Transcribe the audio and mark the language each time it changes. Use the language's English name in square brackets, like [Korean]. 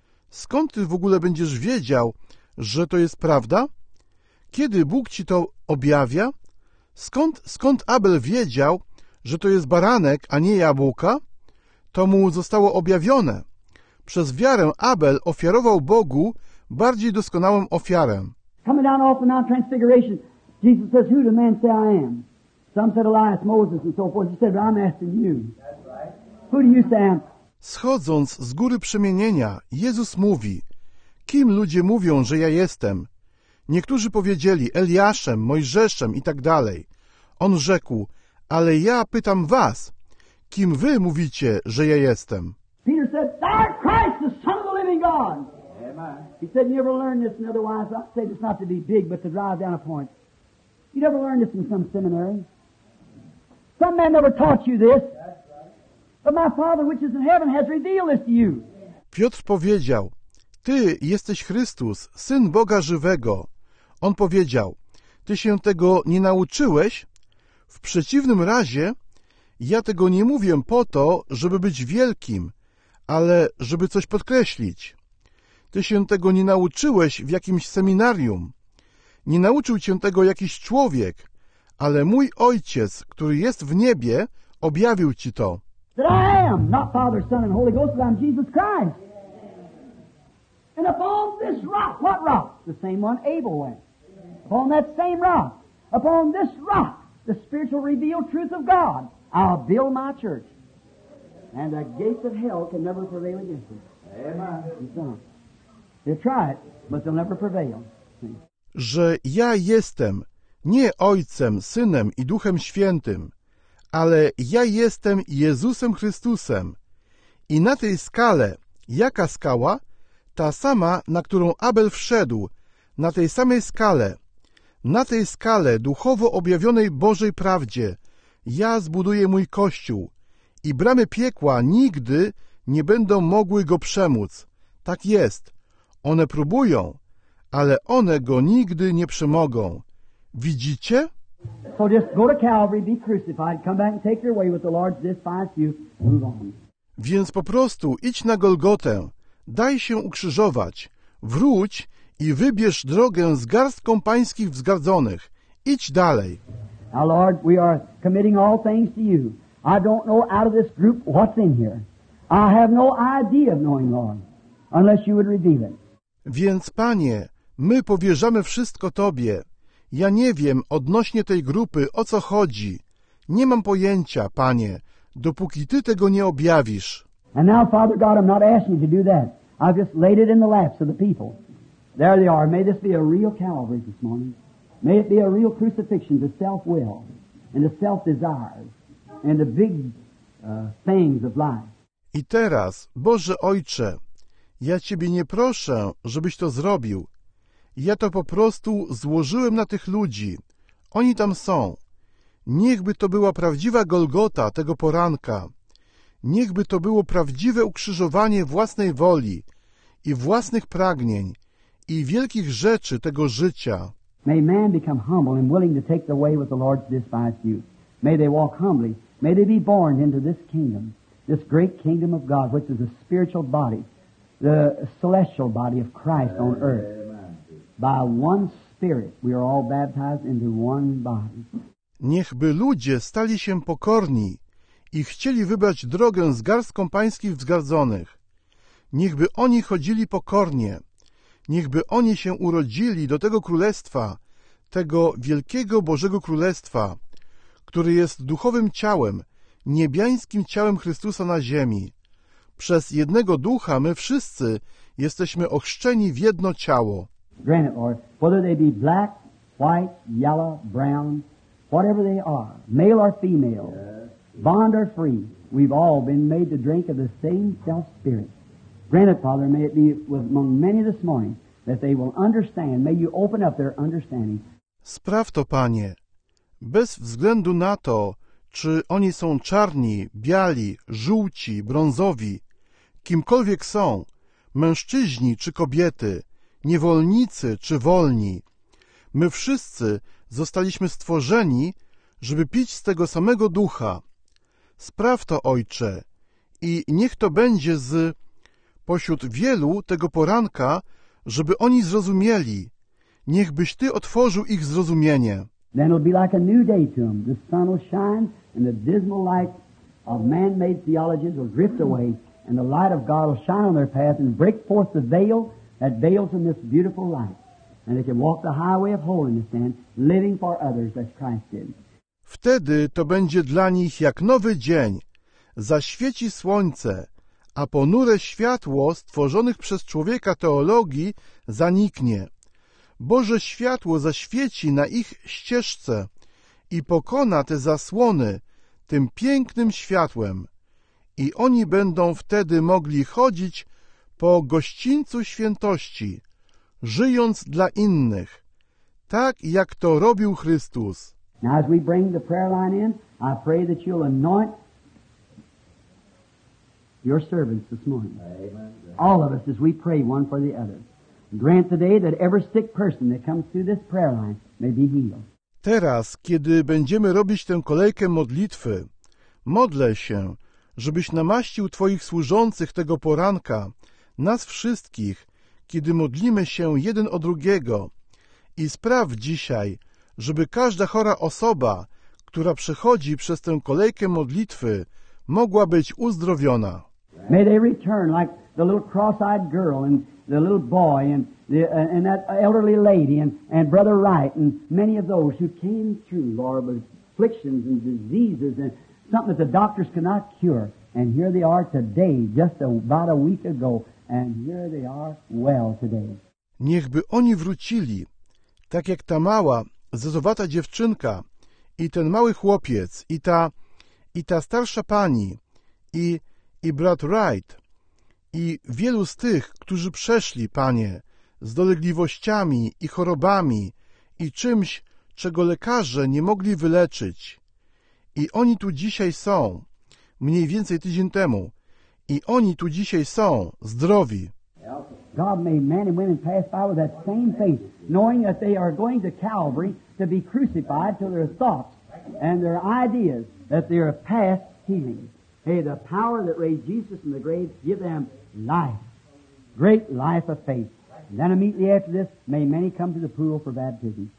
[Polish] Skąd ty w ogóle będziesz wiedział, że to jest prawda? Kiedy Bóg ci to objawia? Skąd Abel wiedział, że to jest baranek, a nie jabłka? To mu zostało objawione. Przez wiarę Abel ofiarował Bogu bardziej doskonałą ofiarę. [English] Coming down off the Mount Transfiguration, Jesus says, who do men say I am? Some said Elias, Moses and so forth. He said, but I'm asking you. Who do you say I am? [Polish] Schodząc z góry przemienienia, Jezus mówi, kim ludzie mówią, że ja jestem? Niektórzy powiedzieli Eliaszem, Mojżeszem i tak dalej. On rzekł, ale ja pytam was, kim wy mówicie, że ja jestem? [English] Peter said, thou art Christ, the Son of the living God. Amen. He said, you never learned this in other wise. I say this not to be big, but to drive down a point. You never learned this in some seminary. Some man never taught you this. But my Father, which is in heaven, has revealed this to you. [Polish] Piotr powiedział, ty jesteś Chrystus, Syn Boga Żywego. On powiedział, ty się tego nie nauczyłeś? W przeciwnym razie, ja tego nie mówię po to, żeby być wielkim, ale żeby coś podkreślić. Ty się tego nie nauczyłeś w jakimś seminarium. Nie nauczył cię tego jakiś człowiek, ale mój Ojciec, który jest w niebie, objawił ci to. [English] That I am, not Father, Son, and Holy Ghost, but I'm Jesus Christ. And upon this rock, what rock? The same one Abel went. Upon that same rock, upon this rock, the spiritual revealed truth of God, I'll build my church. And the gates of hell can never prevail against it. Amen. They'll try it, but they'll never prevail. [Polish] Że ja jestem nie Ojcem, Synem i Duchem Świętym, ale ja jestem Jezusem Chrystusem. I na tej skale, jaka skała? Ta sama, na którą Abel wszedł, na tej samej skale, na tej skale duchowo objawionej Bożej prawdzie, ja zbuduję mój Kościół i bramy piekła nigdy nie będą mogły go przemóc. Tak jest. One próbują, ale one go nigdy nie przemogą. Widzicie? [English] So just go to Calvary, be crucified, come back and take your way with the Lord, this finds you, move on. [Polish] Więc po prostu idź na Golgotę, daj się ukrzyżować, wróć i wybierz drogę z garstką pańskich wzgardzonych. Idź dalej. [English] Now, Lord, we are committing all things to you. I don't know out of this group what's in here. I have no idea of knowing, Lord, unless you would reveal it. [Polish] Więc, Panie, my powierzamy wszystko Tobie. Ja nie wiem odnośnie tej grupy, o co chodzi. Nie mam pojęcia, Panie, dopóki Ty tego nie objawisz. [English] And now, Father God, I'm not asking you to do that. I've just laid it in the laps of the people. There they are. May this be a real Calvary this morning. May it be a real crucifixion to self-will and to self-desires and the big things of life. [Polish] I teraz, Boże Ojcze, ja Ciebie nie proszę, żebyś to zrobił. Ja to po prostu złożyłem na tych ludzi. Oni tam są. Niechby to była prawdziwa Golgota tego poranka. Niechby to było prawdziwe ukrzyżowanie własnej woli i własnych pragnień i wielkich rzeczy tego życia. [English] May man become humble and willing to take the way with the Lord's despised youth. May they walk humbly. May they be born into this kingdom, this great kingdom of God, which is a spiritual body, the celestial body of Christ on earth. By one spirit we are all baptized into one body. [Polish] Niechby ludzie stali się pokorni i chcieli wybrać drogę z garstką pańskich wzgardzonych. Niechby oni chodzili pokornie. Niechby oni się urodzili do tego królestwa, tego wielkiego Bożego Królestwa, który jest duchowym ciałem, niebiańskim ciałem Chrystusa na ziemi. Przez jednego ducha my wszyscy jesteśmy ochrzczeni w jedno ciało. [English] Granted, Lord, whether they be black, white, yellow, brown, whatever they are, male or female, bond or free, we've all been made to drink of the same self-spirit. Granted, Father, may it be among many this morning that they will understand. May you open up their understanding. [Polish] Spraw to, Panie. Bez względu na to, czy oni są czarni, biali, żółci, brązowi, kimkolwiek są, mężczyźni czy kobiety, niewolnicy czy wolni, my wszyscy zostaliśmy stworzeni, żeby pić z tego samego ducha. Spraw to, Ojcze, i niech to będzie z pośród wielu tego poranka, żeby oni zrozumieli. Niechbyś Ty otworzył ich zrozumienie. [English] Then it'll be like a new day to them. The sun will shine and the dismal light of man-made theologies will drift away and the light of God will shine on their path and break forth the veil that veils in this beautiful light. And they can walk the highway of holiness then, living for others as Christ did. [Polish] Wtedy to będzie dla nich jak nowy dzień. Zaświeci słońce, a ponure światło stworzonych przez człowieka teologii zaniknie. Boże światło zaświeci na ich ścieżce i pokona te zasłony tym pięknym światłem. I oni będą wtedy mogli chodzić po gościńcu świętości, żyjąc dla innych, tak jak to robił Chrystus. [English] Now as we bring the prayer line in, I pray that you'll anoint your servants this morning. Amen. All of us as we pray one for the other. Grant today that every sick person that comes through this prayer line may be healed. [Polish] Teraz, kiedy będziemy robić tę kolejkę modlitwy, modlę się, żebyś namaścił Twoich służących tego poranka, nas wszystkich, kiedy modlimy się jeden o drugiego. I spraw dzisiaj, żeby każda chora osoba, która przechodzi przez tę kolejkę modlitwy, mogła być uzdrowiona. [English] May they return like the little cross-eyed girl and the little boy and that elderly lady and Brother Wright and many of those who came through, Lord, with afflictions and diseases and something that the doctors cannot cure. And here they are today, just about a week ago, and here they are well today. [Polish] Niechby oni wrócili, tak jak ta mała, zezowata dziewczynka i ten mały chłopiec i ta starsza pani i brat Wright i wielu z tych, którzy przeszli, Panie, z dolegliwościami i chorobami i czymś, czego lekarze nie mogli wyleczyć. I oni tu dzisiaj są, mniej więcej tydzień temu, i oni tu dzisiaj są, zdrowi. [English] God made men and women pass by with that same faith, knowing that they are going to Calvary to be crucified to their thoughts and their ideas that they are past healing. May the power that raised Jesus from the grave give them life. Great life of faith. And then immediately after this, may many come to the pool for baptism.